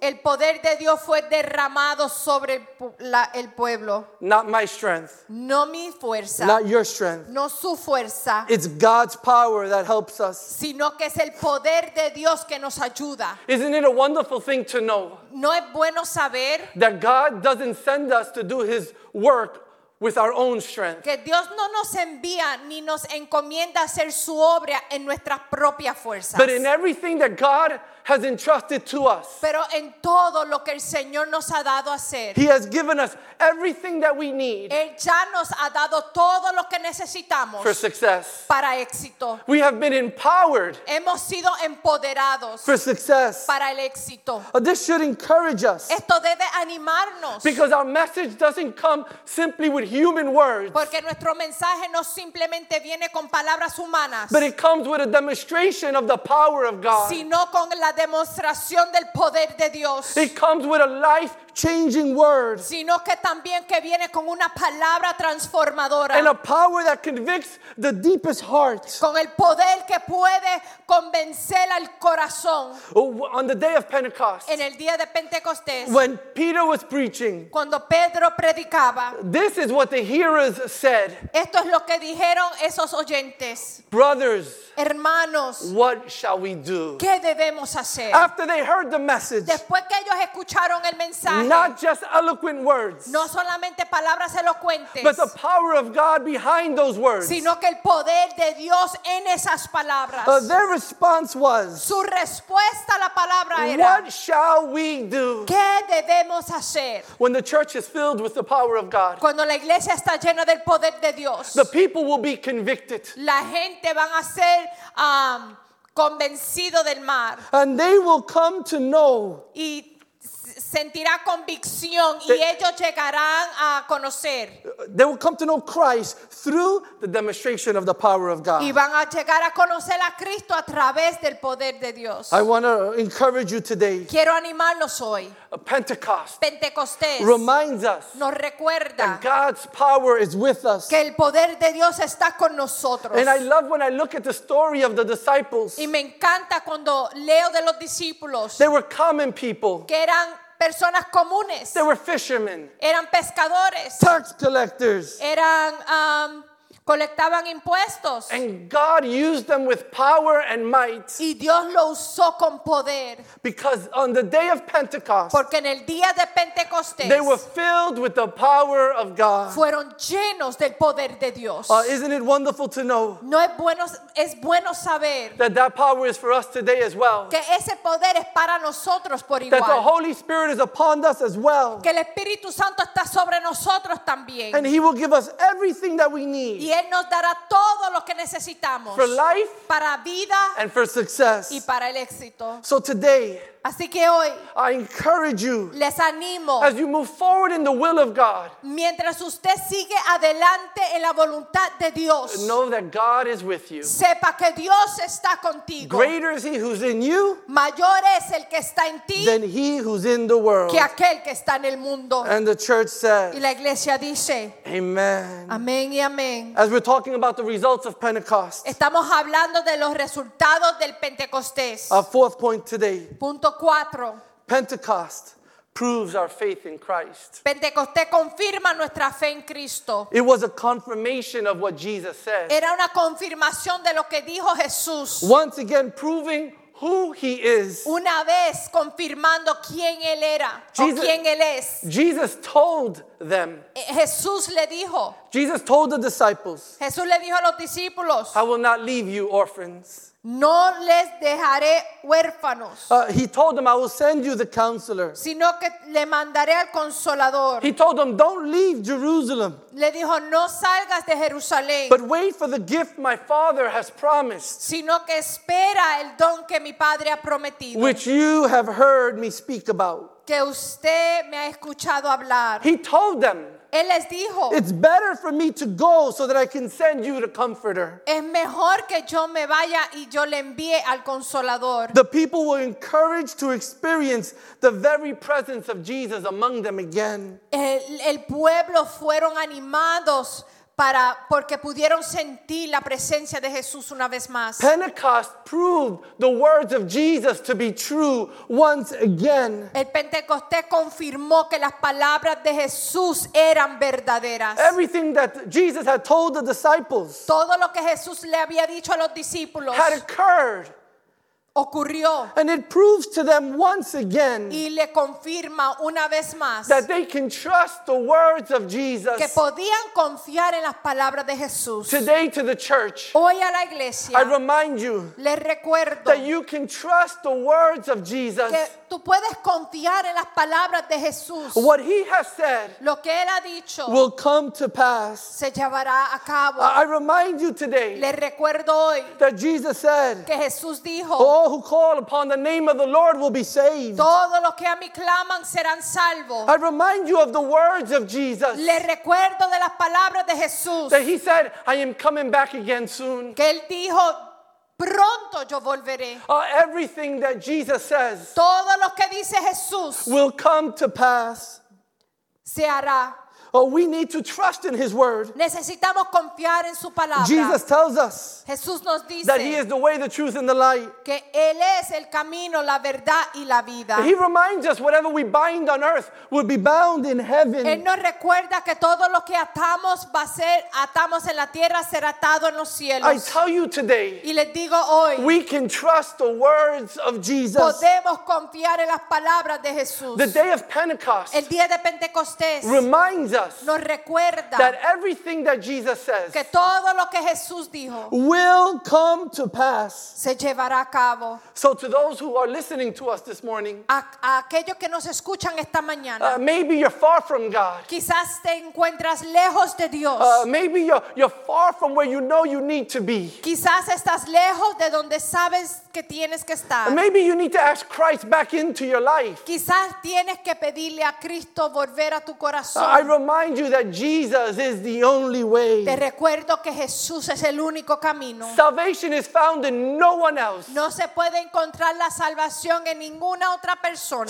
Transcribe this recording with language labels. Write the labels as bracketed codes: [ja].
[es] El poder de Dios fue derramado sobre el pueblo. [en] Not my strength. [es] No mi fuerza. [en] Not your strength. [es] No su fuerza. [en] It's God's power that helps us. [es] Sino que es el poder de Dios que nos ayuda. [en] Isn't it a wonderful thing to know? [es] No es bueno saber. [en] That God doesn't send us to do his work with our own strength. [es] Que Dios no nos envía ni nos encomienda hacer su obra en nuestras propias fuerzas. [en] But in everything that God has entrusted to us. [es] Pero en todo lo que el Señor nos ha dado a hacer. [en] He has given us everything that we need. [es] Él ya nos ha dado todo lo que necesitamos. [en] For success. [es] Para éxito. [en] We have been empowered. [es] Hemos sido empoderados. [en] For success. [es] Para el éxito. [en] This should encourage us. [es] Esto debe animarnos. [en] Because our message doesn't come simply with human words. [es] Porque nuestro mensaje no simplemente viene con palabras humanas. [en] But it comes with a demonstration of the power of God. [es] Sino con la demostración del poder de Dios. [en] It comes with a life-changing word. [es] Sino que también que viene con una palabra transformadora. [en] And a power that convicts the deepest heart. [es] Con el poder que puede convencer al corazón. [en] On the day of Pentecost. [es] En el día de Pentecostés. [en] When Peter was preaching. [es] Cuando Pedro predicaba. [en] This is what the hearers said. [es] Esto es lo que dijeron esos oyentes. [en] Brothers. [es] Hermanos, [en] what shall we do? [es] ¿Qué debemos hacer? [en] After they heard the message, [es] después que ellos escucharon el mensaje, [en] not just eloquent words, [es] no solamente palabras elocuentes, [en] but the power of God behind those words, [es] sino que el poder de Dios en esas palabras. [en] Their response was, [es] su respuesta a la palabra era, [en] what shall we do? [es] ¿Qué debemos hacer? [en] When the church is filled with the power of God, [es] cuando la iglesia está llena del poder de Dios, [en] the people will be convicted. [es] La gente van a ser convencido del mar. [en] And they will come to know. [es] Y sentirá convicción y ellos llegarán a conocer. [en] They will come to know Christ through the demonstration of the power of God. [es] Y van a llegar a conocer a Cristo a través del poder de Dios. [en] I want to encourage you today. [es] Quiero animarlos hoy. [en] Pentecost. [es] Pentecostés. [en] Reminds us. [es] Nos recuerda. [en] That God's power is with us. [es] Que el poder de Dios está con nosotros. [en] And I love when I look at the story of the disciples. [es] Y me encanta cuando leo de los discípulos. [en] They were common people. [es] Que eran personas comunes. [en] They were fishermen. [es] Eran pescadores. [en] Tax collectors. [es] Eran colectaban impuestos. [en] And God used them with power and might. [es] Y Dios lo usó con poder. [en] Because on the day of Pentecost. [es] Porque en el día de Pentecostés. [en] They were filled with the power of God. [es] Fueron llenos del poder de Dios. [en] Isn't it wonderful to know? [es] No es bueno, es bueno saber. [en] That power is for us today as well. [es] Que ese poder es para nosotros por igual. [en] That the Holy Spirit is upon us as well. [es] Que el Espíritu Santo está sobre nosotros también. [en] And he will give us everything that we need. [es] Y Él nos dará todo lo que necesitamos. [en] For life. [es] Para vida. [en] And for success. [es] Y para el éxito. [en] So today. [es] Así que hoy. [en] I encourage you. [es] Les animo. [en] As you move forward in the will of God. [es] Mientras usted sigue adelante en la voluntad de Dios. [en] Know that God is with you. [es] Sepa que Dios está contigo. [en] Greater is he who's in you. [es] Mayor es el que está en ti. [en] Than he who's in the world. [es] Que aquel que está en el mundo. [en] And the church says. [es] Y la iglesia dice. [en] Amen. [es] Amén y amén. [en] As we're talking about the results of Pentecost. [es] Estamos hablando de los resultados del Pentecostés. [en] Our fourth point today. [es] Punto. [en] Pentecost proves our faith in Christ. [es] Pentecostés confirma nuestra fe en Cristo. [en] It was a confirmation of what Jesus said. [es] Era una confirmación de lo que dijo Jesús. [en] Once again proving who he is. [es] Una vez confirmando quién él era, Jesus, o quién él es. [en] Jesus told them. [es] Jesús le dijo. [en] Jesus told the disciples. [es] Jesús le dijo a los discípulos. [en] I will not leave you orphans. [es] No les dejaré huérfanos. [en] He told them, I will send you the counselor. [es] Sino que le mandaré al consolador. [en] He told them, don't leave Jerusalem. [es] Le dijo, no salgas de Jerusalén. [en] But wait for the gift my father has promised. [es] Sino que espera el don que mi padre ha prometido. [en] Which you have heard me speak about. [es] Que usted me ha escuchado hablar. [en] He told them. [es] Él les dijo, [en] it's better for me to go so that I can send you the comforter. [es] Es mejor que yo me vaya y yo le envíe al consolador. [en] The people were encouraged to experience the very presence of Jesus among them again. [es] El pueblo fueron animados porque pudieron sentir la presencia de Jesús una vez más. [en] Pentecost proved the words of Jesus to be true once again. [es] El Pentecostés confirmó que las palabras de Jesús eran verdaderas. [en] Everything that Jesus had told the disciples, [es] todo lo que Jesús le había dicho a los discípulos, [en] had occurred. [es] Ocurrió. [en] And it proves to them once again, [es] y le confirma una vez más, [en] that they can trust the words of Jesus, [es] que podían confiar en las palabras de Jesús. [en] Today to the church, [es] hoy a la iglesia, [en] I remind you, [es] le recuerdo, [en] that you can trust the words of Jesus, [es] que tú puedes confiar en las palabras de Jesús. [en] What he has said, [es] lo que él ha dicho, [en] will come to pass, [es] se llevará a cabo. [en] I remind you today, [es] le recuerdo hoy, [en] that Jesus said, [es] que Jesús dijo, [en] all who call upon the name of the Lord will be saved. [es] Todos los que a mí claman serán salvos. [en] I remind you of the words of Jesus. [es] Le recuerdo de las palabras de Jesús. [en] That he said, I am coming back again soon. [es] Que él dijo, pronto yo volveré. [en] Everything that Jesus says, [es] todo lo que dice Jesús, [en] will come to pass. [es] Se hará. [en] We need to trust in his word. [es] Necesitamos confiar en su palabra. [en] Jesus tells us, [es] Jesús nos dice, [en] that he is the way, the truth, and the light. [es] Que él es el camino, la verdad, y la vida. [en] He reminds us, whatever we bind on earth will be bound in heaven. [es] Él nos recuerda que todo lo que atamos va a ser atamos en la tierra será atado en los cielos. [en] I tell you today, [es] y les digo hoy, [en] we can trust the words of Jesus. [es] Podemos confiar en las palabras de Jesús. [en] The day of Pentecost, [es] el día de Pentecostés, [en] reminds [es] nos recuerda, [en] that everything that Jesus says, [es] que todo lo que Jesús dijo, [en] will come to pass, [es] se llevará a cabo. [en] So to those who are listening to us this morning, [es] a aquellos que nos escuchan esta mañana, [en] maybe you're far from God, [es] quizás te encuentras lejos de Dios, [en] maybe you're far from where you know you need to be, [es] quizás estás lejos de donde sabes que tienes que estar, [en] maybe you need to ask Christ back into your life, [es] quizás tienes que pedirle a Cristo volver a tu corazón. [en] I remind you that Jesus is the only way. [es] Te recuerdo que Jesús es el único camino. [en] Salvation is found in no one else. [es] No se puede encontrar la salvación en ninguna otra persona.